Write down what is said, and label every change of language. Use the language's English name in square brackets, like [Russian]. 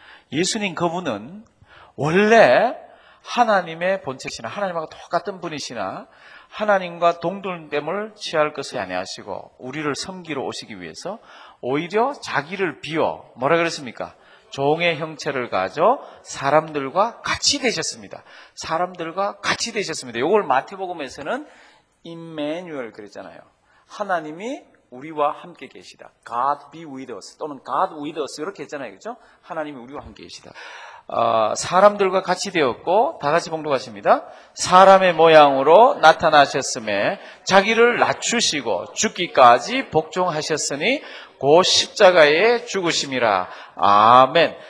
[Korean] 예수님 그분은 원래 하나님의 본체시나 하나님하고 똑같은 분이시나 하나님과 동등됨을 취할 것을 아니하시고 우리를 섬기러 오시기 위해서 오히려 자기를 비워 뭐라 그랬습니까? 종의 형체를 가져 사람들과 같이 되셨습니다. 사람들과 같이 되셨습니다. 이걸 마태복음에서는 임마누엘 그랬잖아요. 하나님이 우리와 함께 계시다. [English] God be with us [Korean] 또는 [English] God with us [Korean] 이렇게 했잖아요. 그렇죠? 하나님이 우리와 함께 계시다. 사람들과 같이 되었고 다 같이 봉독하십니다. 사람의 모양으로 나타나셨음에 자기를 낮추시고 죽기까지 복종하셨으니 고 십자가의 죽으심이라. 아멘.